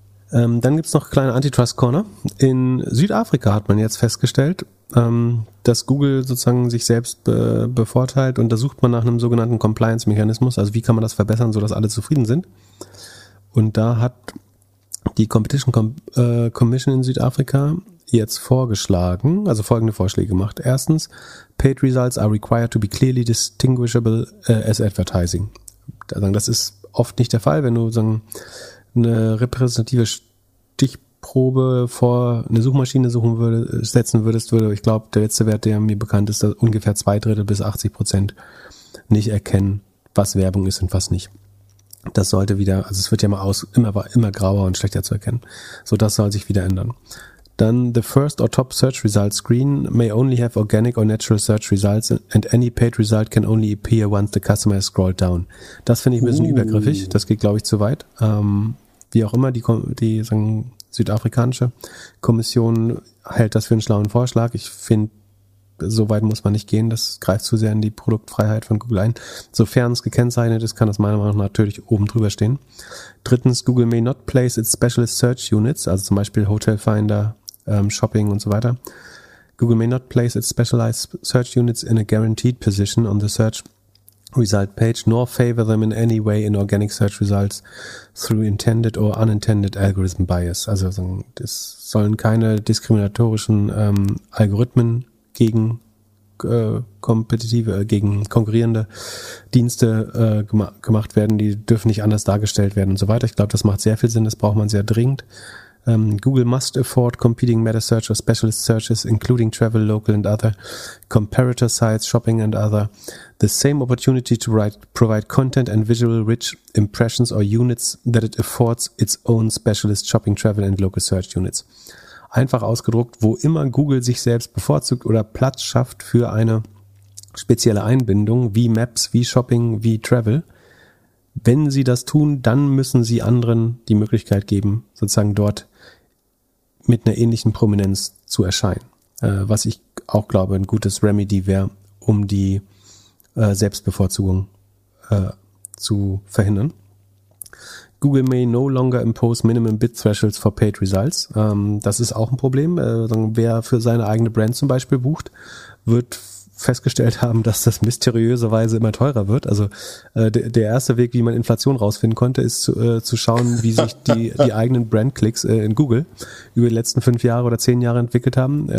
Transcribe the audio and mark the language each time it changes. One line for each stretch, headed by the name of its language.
German: Dann gibt es noch kleine Antitrust-Corner. In Südafrika hat man jetzt festgestellt, dass Google sozusagen sich selbst bevorteilt und da sucht man nach einem sogenannten Compliance-Mechanismus, also wie kann man das verbessern, sodass alle zufrieden sind. Und da hat die Competition Commission in Südafrika jetzt vorgeschlagen, also folgende Vorschläge gemacht.
English: Erstens, paid results are required to be clearly distinguishable as advertising.
German: Das ist oft nicht der Fall, wenn du sagen, eine repräsentative Stichprobe vor eine Suchmaschine setzen würdest, ich glaube, der letzte Wert, der mir bekannt ist, dass ungefähr 20-80% nicht erkennen, was Werbung ist und was nicht. Das sollte wieder, also es wird ja immer grauer und schlechter zu erkennen. So, das soll sich wieder ändern.
English: Dann, the first or top search result screen may only have organic or natural search results and any paid result can only appear once the customer has scrolled down.
German: Das finde ich ein bisschen übergriffig. Das geht, glaube ich, zu weit. Wie auch immer, die südafrikanische Kommission hält das für einen schlauen Vorschlag. Ich finde, so weit muss man nicht gehen. Das greift zu sehr in die Produktfreiheit von Google ein. Sofern es gekennzeichnet ist, kann das meiner Meinung nach natürlich oben drüber stehen.
English: Drittens, Google may not place its specialist search units,
German: also zum Beispiel
English: Hotel Finder, Shopping
German: und so weiter.
English: Google may not place its specialized search units in a guaranteed position on the search result page, nor favor them in any way in organic search results through intended or unintended algorithm bias.
German: Also es sollen keine diskriminatorischen Algorithmen gegen konkurrierende Dienste gemacht werden, die dürfen nicht anders dargestellt werden und so weiter. Ich glaube, das macht sehr viel Sinn, das braucht man sehr dringend.
English: Google must afford competing meta search or specialist searches, including travel, local and other comparator sites, shopping and other, the same opportunity to provide content and visual rich impressions or units that it affords its own specialist shopping, travel and local search units.
German: Einfach ausgedruckt, wo immer Google sich selbst bevorzugt oder Platz schafft für eine spezielle Einbindung, wie Maps, wie Shopping, wie Travel. Wenn sie das tun, dann müssen sie anderen die Möglichkeit geben, sozusagen dort mit einer ähnlichen Prominenz zu erscheinen. Was ich auch glaube, ein gutes Remedy wäre, um die Selbstbevorzugung zu verhindern.
English: Google may no longer impose minimum bid thresholds for paid results.
German: Das ist auch ein Problem. Wer für seine eigene Brand zum Beispiel bucht, wird festgestellt haben, dass das mysteriöserweise immer teurer wird. Also der erste Weg, wie man Inflation rausfinden konnte, ist zu schauen, wie sich die eigenen Brand-Klicks in Google über die letzten 5 Jahre oder 10 Jahre entwickelt haben.